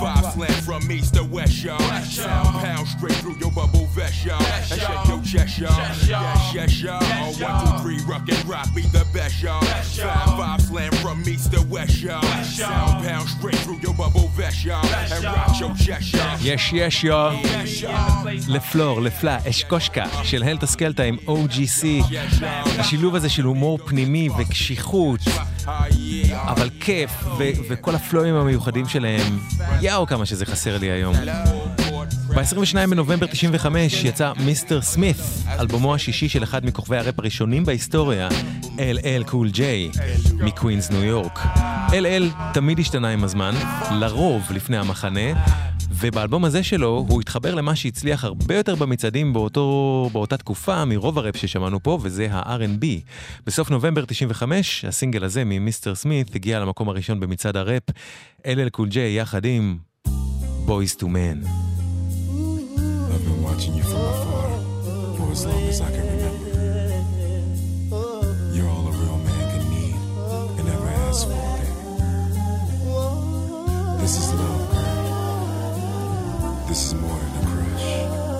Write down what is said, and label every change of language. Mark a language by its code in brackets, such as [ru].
[en] Five slam from east to west, y'all. West, y'all. Pound straight through your bubble vest, y'all. Best, y'all. And shake your chest, y'all. Yes, y'all. Yes, yes, y'all. Yes, y'all. 1, 2, 3, rock and rock, be the best, y'all. Best, y'all. Five slam from east to west, y'all. Best, y'all. Pound straight through your bubble vest, y'all. Best, y'all. And rock your chest, y'all. Yes, yes, y'all. Yes, y'all. [he] לפלור, לפלא, אשקושקה של הלטה סקלטה עם OGC. השילוב הזה של הומור פנימי וקשיחות אבל כיף וכל הפלואים המיוחדים שלהם, יאו כמה שזה חסר לי היום. ב-22 בנובמבר 95 יצא מיסטר סמית, אלבומו השישי של אחד מכוכבי הראפ הראשונים בהיסטוריה, LL Cool J מקווינס ניו יורק. LL תמיד השתנה עם הזמן, לרוב לפני המחנה, ובאלבום הזה שלו הוא התחבר למה שהצליח הרבה יותר במצעדים באותה תקופה מרוב הראפ ששמענו פה, וזה ה-R&B. בסוף נובמבר 95, הסינגל הזה ממיסטר סמית הגיע למקום הראשון במצעד הראפ, LL Cool J יחד עם Boys to Men. [en] I've been watching you from afar, boy as long as I can remember. You're all a real man can need and never ask for, baby. This is love, girl. This is more than a crush.